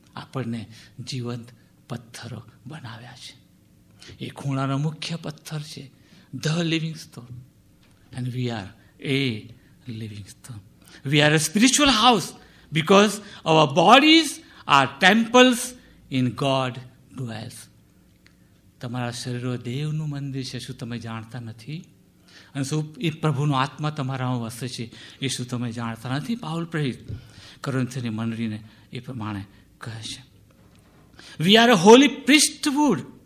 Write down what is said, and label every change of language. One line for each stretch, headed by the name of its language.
Gujarati: આપણને જીવંત પથ્થરો બનાવ્યા છે. એ ખૂણાનો મુખ્ય પથ્થર છે.
English: The living stone. And we are a living stone. We are a spiritual house because our bodies are temples in God dwells.
Gujarati: તમારા શરીરો દેવનું મંદિર છે, શું તમે જાણતા નથી? અને શું એ પ્રભુનો આત્મા તમારામાં વસે છે, એ શું તમે જાણતા નથી? પાઉલ પ્રેરિત કોરિન્થની મંડળીને એ પ્રમાણે કહે છે.
English: We are a holy priesthood.